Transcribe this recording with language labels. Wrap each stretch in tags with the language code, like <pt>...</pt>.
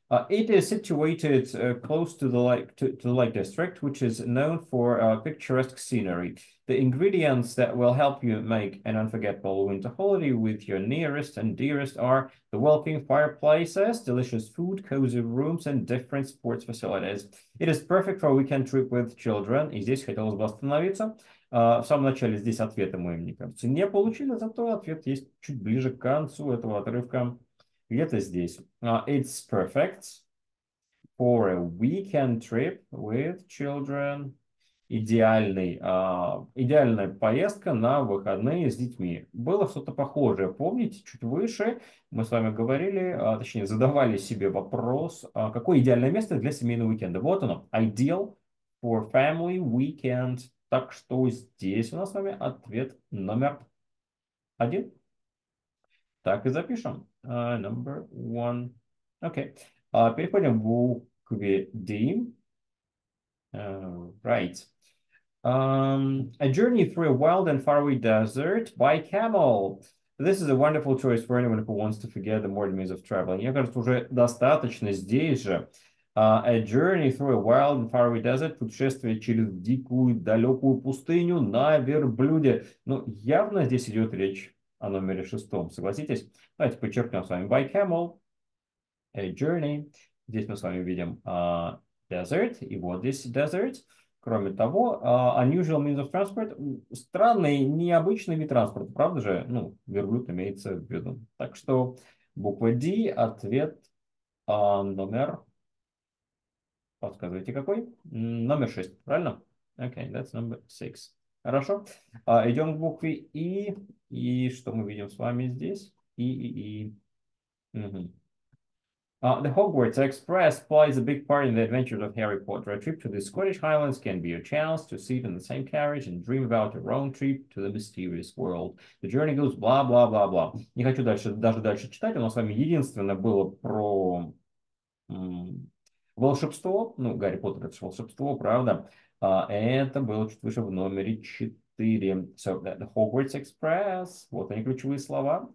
<en>It is situated close to the Lake to Lake District, which is known for picturesque scenery. The ingredients that will help you make an unforgettable winter holiday with your nearest and dearest are the welcoming fireplaces, delicious food, cozy rooms, and different sports facilities. It is perfect for a weekend trip with children.</en> <ru>И здесь хотелось бы остановиться. В самом начале здесь ответа мы, мне кажется, не получили, зато ответ есть чуть ближе к концу этого отрывка. Где-то здесь.</ru> <en>It's perfect for a weekend trip with children.</en> <ru>Идеальная поездка на выходные с детьми. Было что-то похожее. Помните, чуть выше мы с вами говорили, точнее, задавали себе вопрос, какое идеальное место для семейного уикенда. Вот оно.</ru> <en>Ideal for family weekend.</en> <ru>Так что здесь у нас с вами ответ номер один. Так и запишем.</ru> <en>Number one.</en> <ru>Окей.</ru> <en>Okay.</en> <ru>Переходим к букве D.</ru> <en>Right. A journey through a wild and faraway desert by camel. This is a wonderful choice for anyone who wants to forget the monotony of traveling.</en> <ru>Мне кажется, уже достаточно здесь же.</ru> <en>A journey through a wild and faraway desert.</en> <ru>Путешествие через дикую далекую пустыню на верблюде. Ну, явно здесь идет речь о номере шестом, согласитесь? Давайте подчеркнем с вами.</ru> <en>By camel, a journey.</en> <ru>Здесь мы с вами видим desert. И вот здесь desert. Кроме того,</ru> <en>unusual means of transport.</en> <ru>Странный, необычный вид транспорта. Правда же? Ну, верблюд имеется в виду. Так что буква D, ответ номер... Подсказывайте, какой? Номер шесть, правильно?</ru> <en>Okay, that's number six.</en> <ru>Хорошо. Идем к букве И. И что мы видим с вами здесь?</ru> <en>И. The Hogwarts Express plays a big part in the adventures of Harry Potter. A trip to the Scottish Highlands can be a chance to sit in the same carriage and dream about your own trip to the mysterious world. The journey goes blah-blah-blah-blah.</en> <ru>Не хочу дальше, даже дальше читать. У нас с вами единственное было про волшебство. Ну, Гарри Поттер — это же волшебство, правда? Это было чуть выше в номере 4.</ru> <en>So, the Hogwarts Express.</en> <ru>Вот они ключевые слова.</ru>